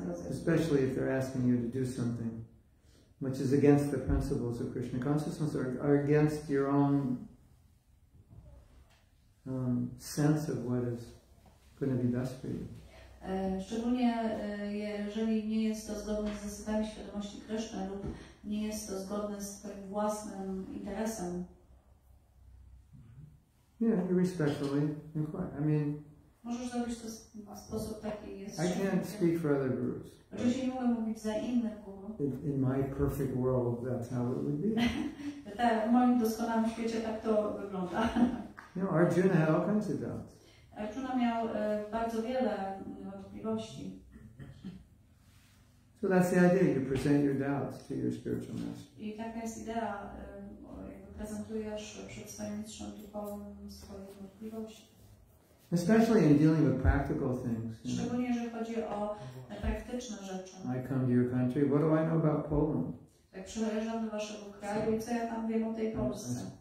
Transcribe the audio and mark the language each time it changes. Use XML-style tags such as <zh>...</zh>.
<en>Especially if they're asking you to do something which is against the principles of Krishna consciousness or against your own sense of what is going to be best for you.</en> <pl>Szczególnie jeżeli nie jest to zgodne z zasadami świadomości Krishna lub nie jest to zgodne z twoim własnym interesem.</pl> <en>Yeah, respectfully inquire. I mean,</en> <pl>możesz zrobić to w sposób taki, jest.</pl> <en>I can't speak for other gurus.</en> <pl>Oczywiście nie mogę mówić za innych guru.</pl> <en>In my perfect world, that's how it would be.</en> <pl>W moim doskonałym świecie tak to wygląda.</pl> <en>You know, Arjuna had all kinds of doubts.</en> <pl>Arjuna miał bardzo wiele wątpliwości.</pl> <en>So that's the idea. You present your doubts to your spiritual master.</en> <pl>I taka jest idea. Prezentujesz przed swoim mistrzem duchowym swoje wątpliwości.</pl> <en>Especially in dealing with practical things.</en> <pl>Szczególnie jeżeli chodzi o praktyczne rzeczy.</pl> <en>I come to your country. What do I know about Poland?</en> <pl>Tak, przyjeżdżam do waszego kraju, co ja tam wiem o tej Polsce?</pl>